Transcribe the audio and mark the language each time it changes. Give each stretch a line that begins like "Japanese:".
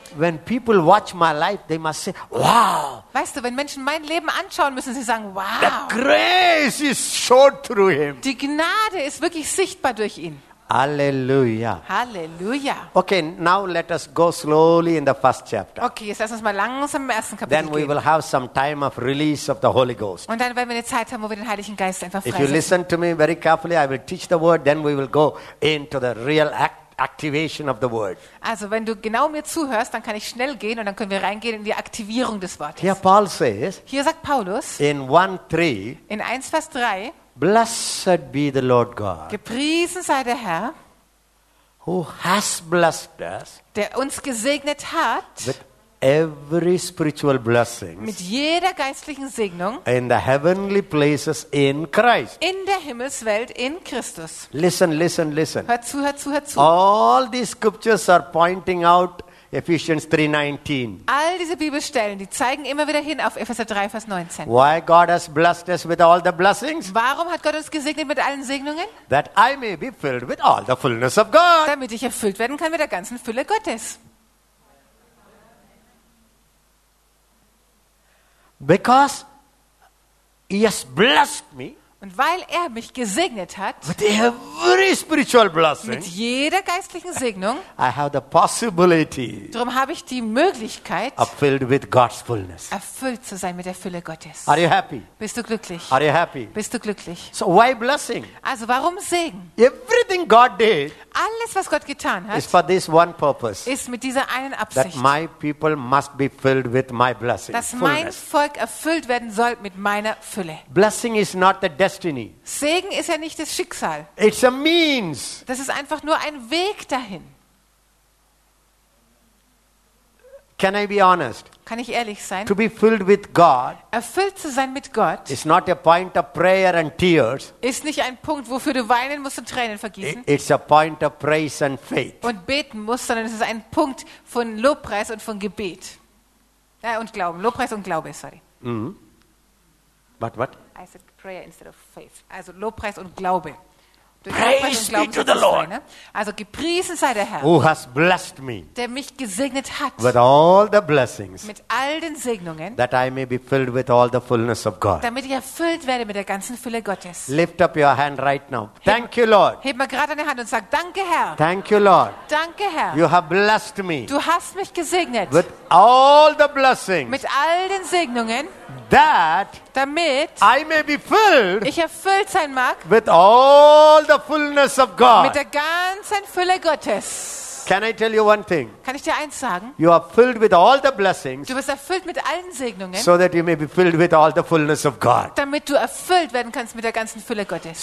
English: When people watch my life, they must say, "Wow!"
German: Weißt du, wenn Menschen mein Leben anschauen, müssen sie sagen, "Wow!"
English: The grace is shown through him.
German: Die Gnade ist wirklich sichtbar durch ihn. Halleluja. Halleluja.
English: Okay, now let us go slowly in the first chapter.
German: Okay, jetzt lass uns mal langsam im ersten Kapitel gehen.
English: Then we will have some time of release of the Holy Ghost.
German: Und dann werden wir eine Zeit haben, wo wir den Heiligen Geist einfach freisetzen.
English: If you listen to me very carefully, I will teach the word. Then we will go into the real act. Activation of the word.
German: Also, wenn du genau mir zuhörst, dann kann ich schnell gehen und dann können wir reingehen in die Aktivierung des Wortes.
English: Here Paul says,
German: hier sagt Paulus
English: in 1:3,
German: in 1 Vers 3,
English: blessed be the Lord God.
German: Gepriesen sei der Herr,
English: who has blessed us,
German: der uns gesegnet hat
English: with every spiritual blessing,
German: mit jeder geistlichen Segnung
English: in the heavenly places in Christ,
German: in der Himmelswelt in Christus.
English: Listen.
German: Hör zu.
English: All these scriptures are pointing out Ephesians 3:19.
German: All diese Bibelstellen, die zeigen immer wieder hin auf Epheser 3, Vers 19.
English: Why God has blessed us with all the blessings?
German: Warum hat Gott uns gesegnet mit allen Segnungen?
English: That I may be filled with all the fullness of God.
German: Damit ich erfüllt werden kann mit der ganzen Fülle Gottes.
English: Because he has blessed me.
German: Und weil er mich gesegnet hat.
English: With every spiritual blessing.
German: Mit jeder geistlichen Segnung.
English: I have the possibility.
German: Drum habe ich die Möglichkeit.
English: Erfüllt with God's fullness.
German: Erfüllt zu sein mit der Fülle Gottes.
English: Are you happy?
German: Bist du glücklich?
English: Are you happy?
German: Bist du glücklich?
English: So why blessing?
German: Also warum Segen?
English: Everything God did.
German: Alles was Gott getan hat.
English: Is for this one purpose.
German: Ist mit dieser einen Absicht.
English: That my people must be filled with my blessing.
German: Dass mein Volk erfüllt werden soll mit meiner Fülle.
English: Blessing is not the destiny.
German: Segen ist ja nicht das Schicksal.
English: It's a means.
German: Das ist einfach nur ein Weg dahin.
English: Can I be honest?
German: Kann ich ehrlich sein?
English: To be filled with God.
German: Erfüllt zu sein mit Gott.
English: It's not a point of prayer and tears.
German: Ist nicht ein Punkt, wofür du weinen musst und Tränen vergießen.
English: It's a point of praise and faith.
German: Und beten musst, sondern es ist ein Punkt von Lobpreis und von Gebet. Und Glauben. Lobpreis und Glaube, sorry.
English: Mm-hmm. What? I said prayer instead of faith.
German: Also Lobpreis und Glaube.
English: Praise be to the Lord.
German: Also gepriesen sei der Herr.
English: Who has blessed me.
German: Der mich gesegnet hat.
English: With all the blessings.
German: Mit all den Segnungen.
English: That I may be filled with all the fullness of God.
German: Damit ich erfüllt werde mit der ganzen Fülle Gottes.
English: Lift up your hand right now. Thank you, Lord.
German: Heb mal gerade deine Hand und sag Danke, Herr.
English: Thank you, Lord.
German: Danke, Herr.
English: You have blessed me.
German: Du hast mich gesegnet.
English: With all the blessings.
German: Mit all den Segnungen.
English: That
German: damit
English: I may be filled,
German: ich erfüllt sein mag,
English: with all the fullness of God,
German: mit der ganzen Fülle Gottes.
English: Can I tell you one thing?
German: Kann ich dir eins sagen?
English: You are filled with all the blessings,
German: du bist erfüllt mit allen Segnungen,
English: so that you may be filled with all the fullness of God,
German: damit du erfüllt werden kannst mit der ganzen Fülle Gottes.